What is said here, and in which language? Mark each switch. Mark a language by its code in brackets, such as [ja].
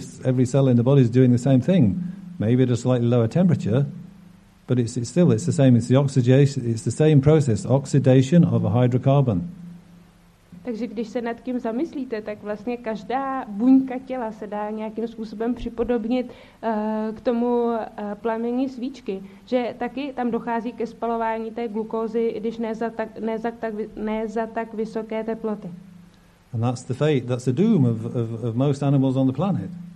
[en] Every cell in the body is doing the same thing, maybe at a slightly lower temperature, but it's still the same. It's the oxidation. It's the same process, oxidation of a hydrocarbon. [cs] Takže když se nad tím zamyslíte, tak vlastně každá buňka těla se dá nějakým způsobem připodobnit k tomu plamení svíčky, že taky tam dochází ke spalování té glukózy, i když ne za tak vysoké teploty. [en] And that's the fate, that's the doom of most animals on the planet.